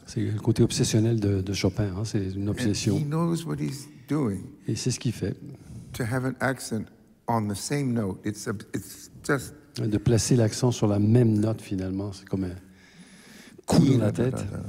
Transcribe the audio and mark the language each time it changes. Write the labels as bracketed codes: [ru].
[fr] C'est le côté obsessionnel de Chopin, hein, c'est une obsession. [en] And he knows what he's doing. [fr] Et c'est ce qu'il fait. [en] To have an accent on the same note, it's just... [fr] Et de placer l'accent sur la même note, finalement, c'est comme un coup dans la tête.